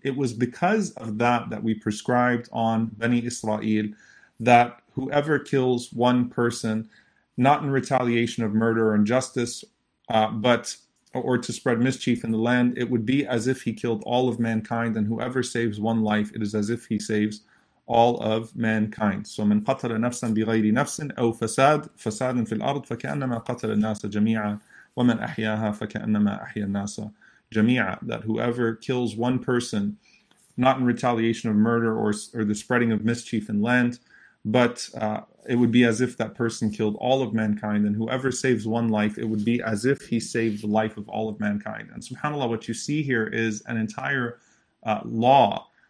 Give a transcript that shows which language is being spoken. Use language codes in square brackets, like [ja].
[en] It was because of that that we prescribed on Bani Israel that whoever kills one person, not in retaliation of murder or injustice, but or to spread mischief in the land, it would be as if he killed all of mankind, and whoever saves one life, it is as if he saves all of mankind. [ar] So من قتل نفسا بغير نفس أو فساد فساد في الأرض فكأنما قتل الناس جميعا ومن أحياها فكأنما أحيا الناس جميعا. [en] That whoever kills one person, not in retaliation of murder or the spreading of mischief in land, but it would be as if that person killed all of mankind, and whoever saves one life, it would be as if he saved the life of all of mankind. And subhanAllah, what you see here is an entire law.